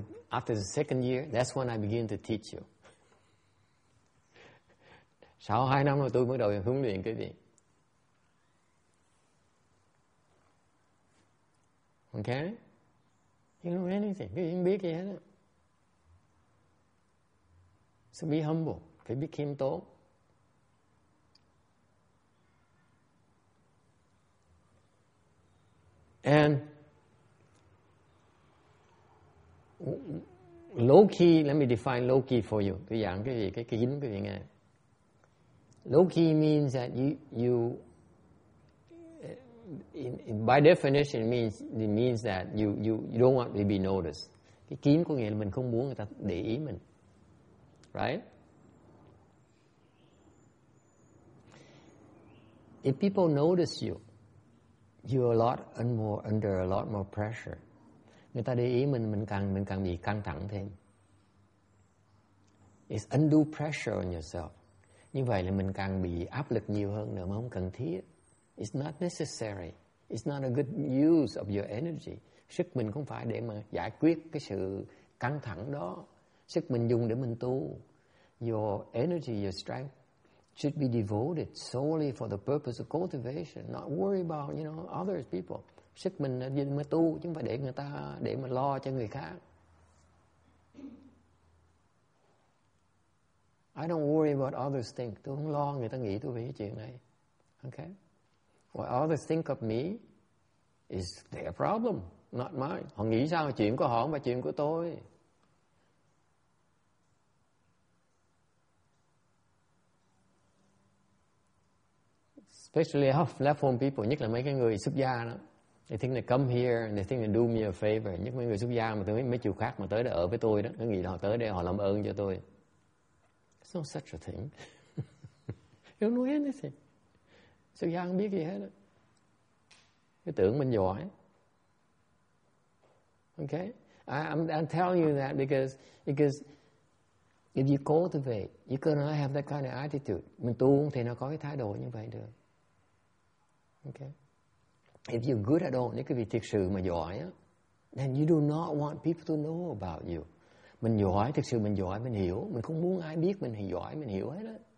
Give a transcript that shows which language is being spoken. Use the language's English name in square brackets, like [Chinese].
[English] After the second year, that's when I begin to teach you. [Vietnamese] Sau 2 năm rồi tôi bắt đầu huấn luyện quý vị. [English] Okay? You know anything. [Vietnamese] Quý vị không biết gì hết. [English] So be humble. [Vietnamese] Phải biết khiêm tốn. [English] And low key, let me define low key for you. [Vietnamese] Tôi giảng cái gì, cái dính cái gì nghe. [English] Low key means that you in, by definition it means that you don't want to be noticed. [Vietnamese] Cái kín có nghĩa là mình không muốn người ta để ý mình. [English] Right? If people notice you, you're under a lot more pressure. [Vietnamese] Người ta để ý mình càng bị căng thẳng thêm. [English] It's undue pressure on yourself. [Vietnamese] Như vậy là mình càng bị áp lực nhiều hơn nữa mà không cần thiết. [English] It's not necessary. It's not a good use of your energy. [Vietnamese] Sức mình không phải để mà giải quyết cái sự căng thẳng đó. Sức mình dùng để mình tu. [English] Your energy, your strength should be devoted solely for the purpose of cultivation, not worry about, you know, others, people. [Vietnamese] Sức mình là mình mới tu, chứ không phải để người ta, để mà lo cho người khác. [English] I don't worry about others think. [Vietnamese] Tôi không lo người ta nghĩ tôi về cái chuyện này. [English] Okay? What others think of me is their problem, not mine. [Vietnamese] Họ nghĩ sao? Chuyện của họ không phải chuyện của tôi. [English] Especially half-level people, [Vietnamese] nhất là mấy cái người xuất gia đó. [English] They think they come here and they think they do me a favor. [Vietnamese] Nhất mấy người xuất gia mà tới mấy chùa khác mà tới để ở với tôi đó. Cứ nghĩ là họ tới đây họ làm ơn cho tôi. [English] It's not such a thing. You don't know anything. [Vietnamese] Xuất gia không biết gì hết. Cứ tưởng mình giỏi. [English] Okay? I'm telling you that because if you cultivate, you cannot have that kind of attitude. [Vietnamese] Mình tu không thể nó có cái thái độ như vậy được. [English] Okay? If you're good at all, [Vietnamese] nếu quý vị thực sự mà giỏi, [English] then you do not want people to know about you. [Vietnamese] Mình giỏi, thực sự mình giỏi, mình hiểu. Mình không muốn ai biết mình giỏi, mình hiểu hết á.